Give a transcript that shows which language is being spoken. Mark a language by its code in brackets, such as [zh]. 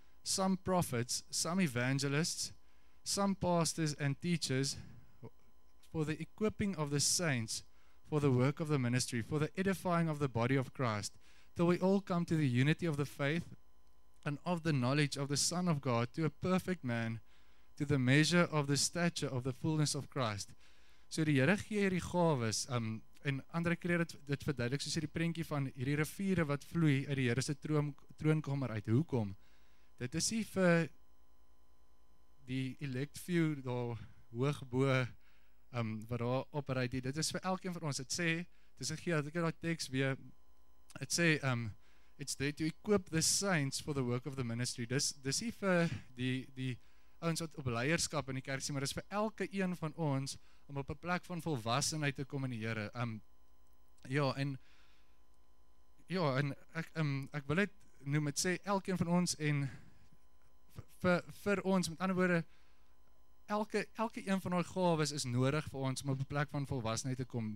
[en] some prophets, some evangelists, some pastors and teachers, for the equipping of the saints, for the work of the ministry, for the edifying of the body of Christ, till we all come to the unity of the faith and of the knowledge of the Son of God, to a perfect man, to the measure of the stature of the fullness of Christ. [af] So die Here gee hierdie gawes, en ander kreer dit verduidelik soos hierdie prentjie van hierdie riviere wat vloei uit die Here se troonkamer uit. Hoekom? Dit is nie vir die [en] elect few [af] daar hoog bo wat daar operate die. Dit is vir elkeen van ons. Dit sê, dit is 'n gee, ek het daai teks weer. Dit sê [en] it's there to equip the saints for the work of the ministry. [af] Dis nie vir die ouens wat op leierskap in die kerk sien, maar dis vir elke een van ons om op 'n plek van volwassenheid te kom in die Here. Ek wil dit noem, dit sê elkeen van ons en vir ons, met ander woorde, elke een van ons gawes is nodig vir ons om op 'n plek van volwassenheid te kom.